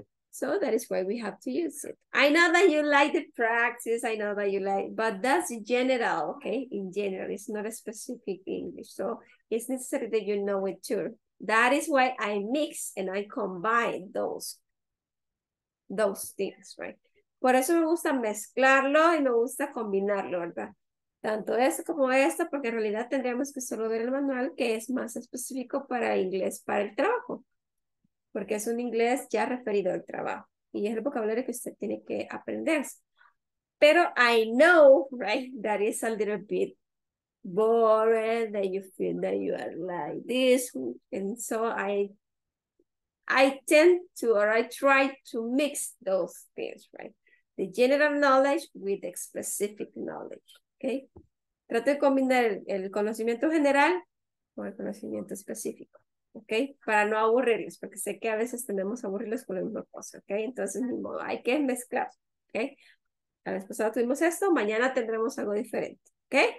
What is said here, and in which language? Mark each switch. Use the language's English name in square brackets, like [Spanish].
[English] So that is why we have to use it. I know that you like the practice. I know that you like, but that's general, okay? In general, it's not a specific English. So it's necessary that you know it too. That is why I mix and I combine those things, right? [Spanish] Por eso me gusta mezclarlo y me gusta combinarlo, ¿verdad? Tanto esto como esto, porque en realidad tendríamos que solo ver el manual que es más específico para inglés para el trabajo. Porque es un inglés ya referido al trabajo. Y es el vocabulario que usted tiene que aprender. [English] Pero I know, right, that is a little bit boring, that you feel that you are like this. And so I tend to, or I try to mix those things, right? The general knowledge with the specific knowledge. Okay. [Spanish] Trato de combinar el conocimiento general con el conocimiento específico, okay, para no aburrirlos, porque sé que a veces tenemos a aburrirlos con la misma cosa, okay. Entonces, ni modo, hay que mezclar, okay. La vez pasada tuvimos esto, mañana tendremos algo diferente, okay.